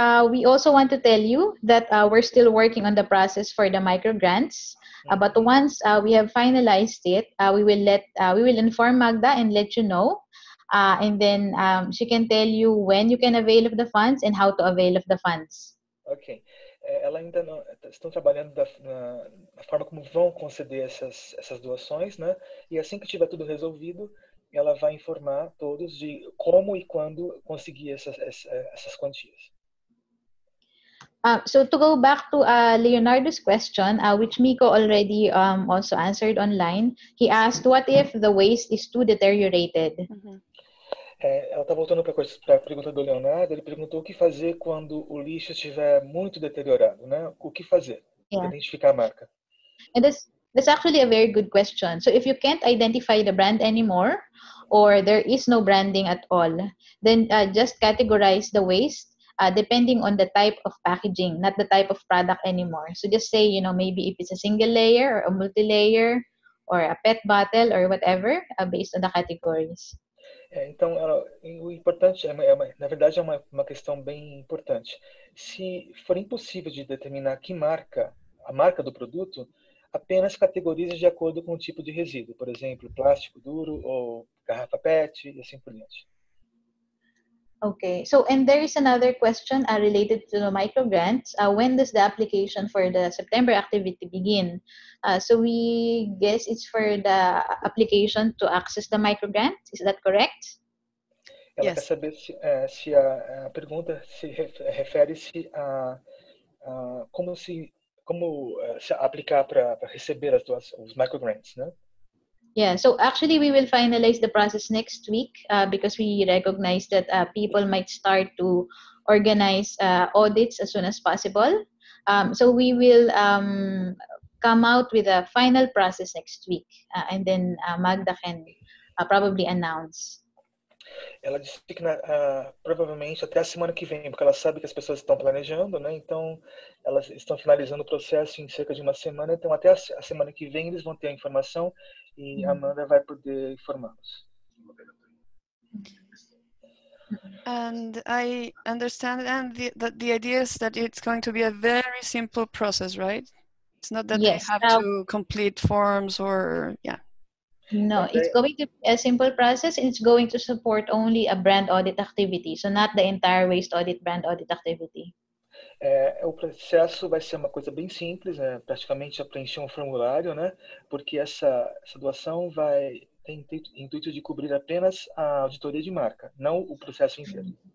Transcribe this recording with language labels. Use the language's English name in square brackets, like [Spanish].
[English] We also want to tell you that we're still working on the process for the micro grants. But once we have finalized it, we will inform Magda and let you know. And then she can tell you when you can avail of the funds and how to avail of the funds. Okay. [Portuguese] Ela ainda não, estão trabalhando na forma como vão conceder essas doações, né? E assim que tiver tudo resolvido, ela vai informar todos de como e quando conseguir essas quantias. [English] So to go back to Leonardo's question, which Miko already also answered online, he asked, what if the waste is too deteriorated? Mm-hmm. [Portuguese] Ela está voltando para a pergunta do Leonardo. Ele perguntou o que fazer quando o lixo estiver muito deteriorado, né? O que fazer? Yeah. Identificar a marca. [English] And that's actually a very good question. So if you can't identify the brand anymore, or there is no branding at all, then just categorize the waste. Depending on the type of packaging, not the type of product anymore. So just say, you know, maybe if it's a single layer or a multi-layer or a PET bottle or whatever, based on the categories. [Portuguese] Então, o importante, na verdade, é uma questão bem importante. Se for impossível de determinar que marca, a marca do produto, apenas categorize de acordo com o tipo de resíduo. Por exemplo, plástico duro ou garrafa PET e assim por diante. [English] Okay, so and there is another question related to the micro grants. When does the application for the September activity begin? So we guess it's for the application to access the micro grant. Is that correct? [Portuguese] Ela yes. Quer saber se a pergunta se refere-se a como se aplicar para receber as duas, os micro grants, né? [English] Yeah, so actually we will finalize the process next week because we recognize that people might start to organize audits as soon as possible. So we will come out with a final process next week and then Magda can probably announce. [Portuguese] Ela disse que provavelmente até a semana que vem, porque ela sabe que as pessoas estão planejando, né? Então elas estão finalizando o processo em cerca de uma semana, então até a semana que vem eles vão ter a informação. E a Amanda vai poder informá-los. [English] And I understand, and the idea is that it's going to be a very simple process, right? It's not that yes, they have to complete forms or, yeah. No, okay. It's going to be a simple process. It's going to support only a brand audit activity, so not the entire waste audit brand audit activity. [Portuguese] O processo vai ser uma coisa bem simples, né? Praticamente a preencher um formulário, né? Porque essa doação vai ter intuito de cobrir apenas a auditoria de marca, não o processo inteiro.